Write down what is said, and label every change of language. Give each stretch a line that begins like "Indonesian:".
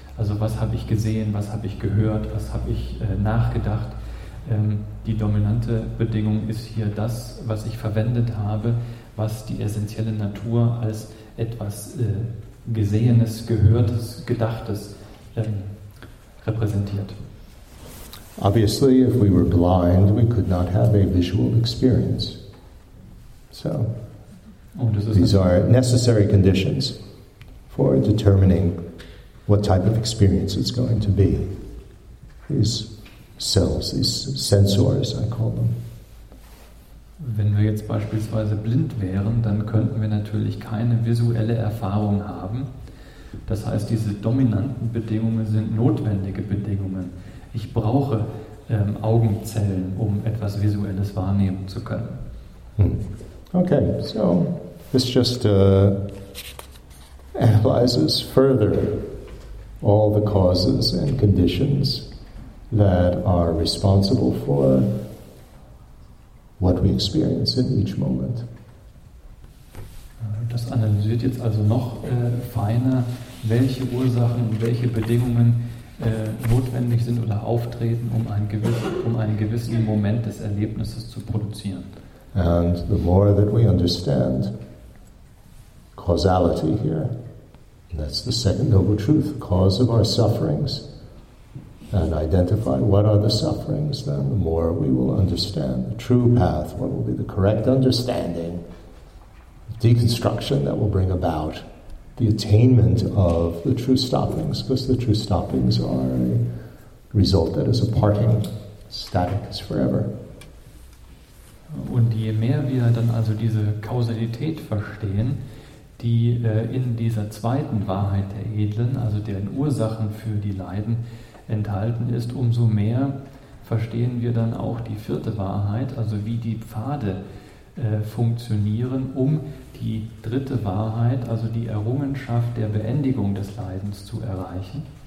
German: Also was habe ich gesehen, was habe ich gehört, was habe ich nachgedacht. Die dominante Bedingung ist hier das, was ich verwendet habe, was die essentielle Natur als etwas Gesehenes, Gehörtes, Gedachtes repräsentiert.
English: Obviously, if we were blind, we could not have a visual experience. So, these are necessary conditions for determining what type of experience it's going to be. These cells, these sensors, I call them.
German: Wenn wir jetzt beispielsweise blind wären, dann könnten wir natürlich keine visuelle Erfahrung haben. Das heißt, diese dominanten Bedingungen sind notwendige Bedingungen. Ich brauche Augenzellen, um etwas Visuelles wahrnehmen zu können.
English: Okay, so this just analyzes further all the causes and conditions that are responsible for what we experience in each moment.
German: Das analysiert jetzt also noch feiner, welche Ursachen und welche Bedingungen notwendig sind oder auftreten, um einen gewissen Moment des Erlebnisses zu produzieren.
English: And the more that we understand causality here, that's the second noble truth, cause of our sufferings, and identify what are the sufferings, then the more we will understand the true path, what will be the correct understanding, deconstruction that will bring about the attainment of the true stoppings, because the true stoppings are a result that is a parting, static is forever.
German: Und je mehr wir dann also diese Kausalität verstehen, die in dieser zweiten Wahrheit der Edlen, also deren Ursachen für die Leiden, enthalten ist, umso mehr verstehen wir dann auch die vierte Wahrheit, also wie die Pfade funktionieren, um die dritte Wahrheit, also die Errungenschaft der Beendigung des Leidens, zu erreichen.